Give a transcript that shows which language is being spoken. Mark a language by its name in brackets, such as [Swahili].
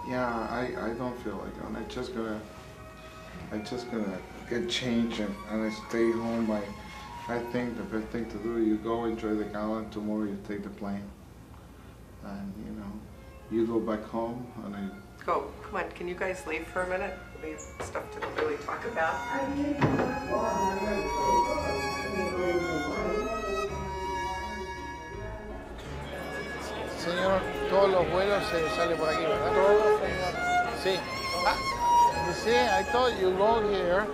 [English] Yeah, I don't feel like going. I'm just gonna get changed and I stay home. I think the best thing to do, you go enjoy the gala, tomorrow you take the plane. And you know, you go back home and I... Go, come on, can you guys leave for a minute? [Spanish] Señor, todos los vuelos se salen por aquí, ¿verdad? Sí. [English] Ah, you see, I thought you go here.